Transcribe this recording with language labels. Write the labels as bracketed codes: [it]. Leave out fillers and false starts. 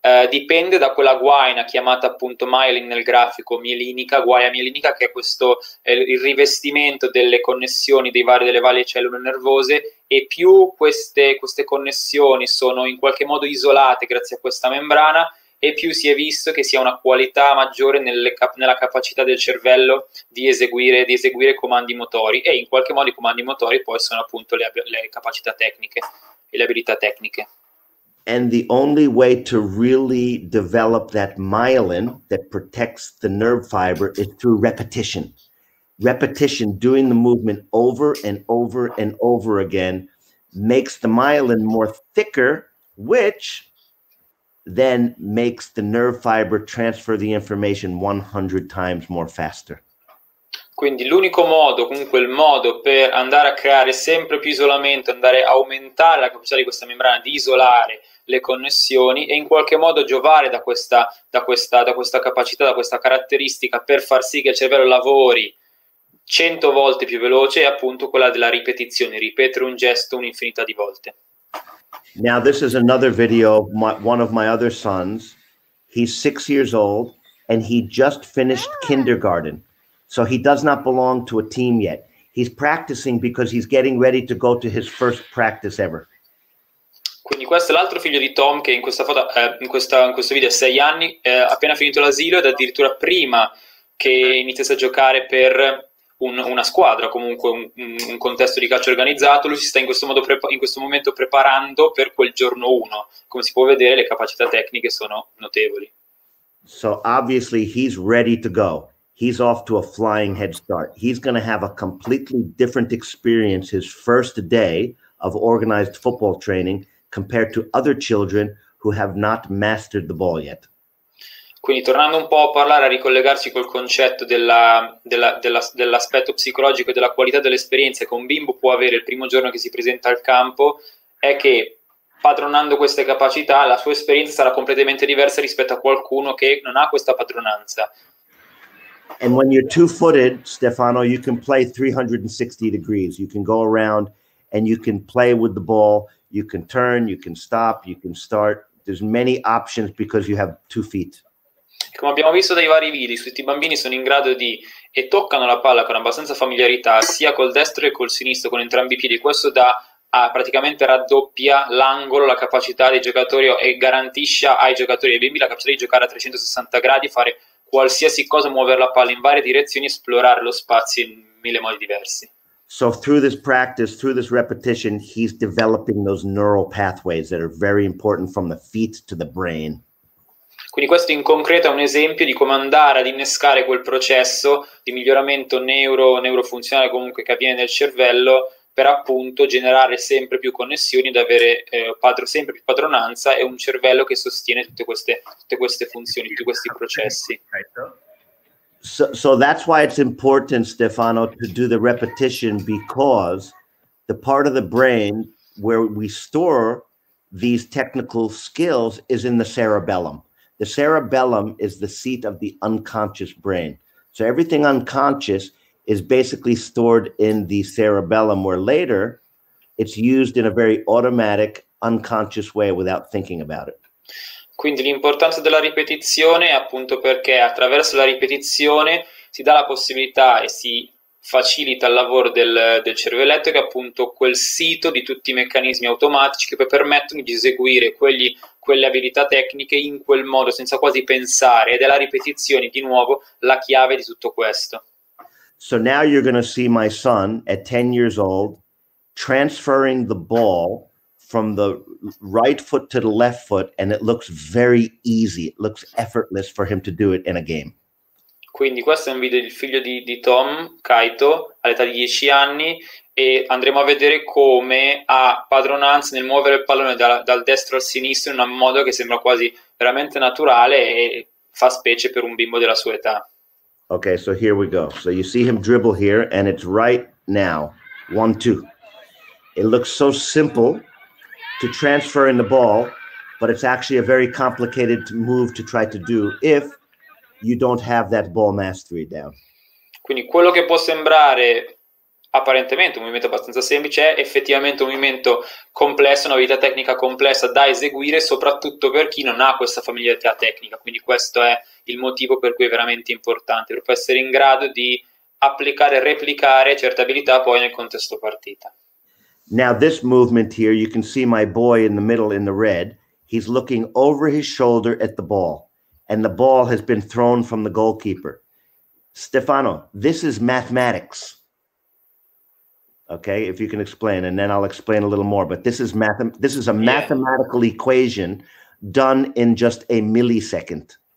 [it] dipende da quella guaina chiamata appunto myelin nel grafico, mielinica, guaina mielinica, che è questo il rivestimento delle connessioni delle varie cellule nervose, e più queste connessioni sono in qualche modo isolate grazie a questa membrana, e più si è visto che sia una qualità maggiore nella capacità del cervello di eseguire comandi motori, e in qualche modo i comandi motori poi sono appunto le capacità tecniche e le abilità tecniche. [en] And the only way to really develop that myelin that protects the nerve fiber is through repetition. Repetition, doing the movement over and over and over again, makes the myelin more thicker, which then makes the nerve fiber transfer the information 100 times more faster. [it] Quindi l'unico modo, comunque il modo per andare a creare sempre più isolamento, andare a aumentare la capacità di questa membrana di isolare le connessioni e in qualche modo giovare da questa capacità, da questa caratteristica per far sì che il cervello lavori 100 volte più veloce, è appunto quella della ripetizione, ripetere un gesto un'infinità di volte. [en] Now this is another video of one of my other sons. He's 6 years old and he just finished kindergarten. So he does not belong to a team yet. He's practicing because he's getting ready to go to his first practice ever. [it] Quindi questo è l'altro figlio di Tom che in questa foto, in questo video ha 6 anni, ha appena finito l'asilo ed addirittura prima che iniziasse a giocare per una squadra, comunque un contesto di calcio organizzato, lui si sta in questo momento preparando per quel giorno 1. Come si può vedere, le capacità tecniche sono notevoli. [en] So obviously he's ready to go. He's off to a flying head start. He's going to have a completely different experience his first day of organized football training compared to other children who have not mastered the ball yet. [it] Quindi tornando un po' a parlare, a ricollegarci col concetto dell'aspetto psicologico e della qualità dell'esperienza che un bimbo può avere il primo giorno che si presenta al campo, è che padronando queste capacità la sua esperienza sarà completamente diversa rispetto a qualcuno che non ha questa padronanza. [en] And when you're two-footed, Stefano, you can play 360 degrees. You can go around and you can play with the ball. You can turn, you can stop, you can start. There's many options because you have 2 feet. [it] Come abbiamo visto dai vari video, tutti i bambini sono in grado di e toccano la palla con abbastanza familiarità, sia col destro che col sinistro, con entrambi i piedi. Questo praticamente raddoppia l'angolo, la capacità dei giocatori e garantisce ai giocatori e ai bimbi la capacità di giocare a 360 gradi, fare qualsiasi cosa, muovere la palla in varie direzioni, esplorare lo spazio in mille modi diversi. [en] So through this practice, through this repetition, he's developing those neural pathways that are very important from the feet to the brain. [it] Quindi questo in concreto è un esempio di come andare ad innescare quel processo di miglioramento neurofunzionale comunque che avviene nel cervello per appunto generare sempre più connessioni ed avere sempre più padronanza e un cervello che sostiene tutte queste funzioni, tutti questi processi. [en] So that's why it's important, Stefano, to do the repetition because the part of the brain where we store these technical skills is in the cerebellum. The cerebellum is the seat of the unconscious brain. So everything unconscious is basically stored in the cerebellum, where later it's used in a very automatic, unconscious way without thinking about it. [it] Quindi l'importanza della ripetizione è appunto perché attraverso la ripetizione si dà la possibilità e si facilita il lavoro del cervelletto, che è appunto quel sito di tutti i meccanismi automatici che poi permettono di eseguire quelle abilità tecniche in quel modo, senza quasi pensare, ed è la ripetizione, di nuovo, la chiave di tutto questo. [en] So now you're going to see my son at 10 years old transferring the ball from the right foot to the left foot, and it looks very easy. It looks effortless for him to do it in a game. [it] Quindi questo è un video del figlio di Tom, Kaito, all'età di 10 anni, e andremo a vedere come ha padronanza nel muovere il pallone dal destro al sinistro in un modo che sembra quasi veramente naturale e fa specie per un bimbo della sua età. [en] Okay, so here we go. So you see him dribble here, and it's right now. One, two. It looks so simple to transfer in the ball, but it's actually a very complicated move to try to do if you don't have that ball mastery down. [it] Quindi quello che può sembrare apparentemente un movimento abbastanza semplice è effettivamente un movimento complesso, una vita tecnica complessa da eseguire, soprattutto per chi non ha questa familiarità tecnica. Quindi questo è il motivo per cui è veramente importante, per essere in grado di applicare e replicare certe abilità poi nel contesto partita. [en] Now, this movement here, you can see my boy in the middle in the red. He's looking over his shoulder at the ball, and the ball has been thrown from the goalkeeper. Stefano, this is mathematics. Okay, if you can explain, and then I'll explain a little more, but this is a mathematical equation done in just a millisecond.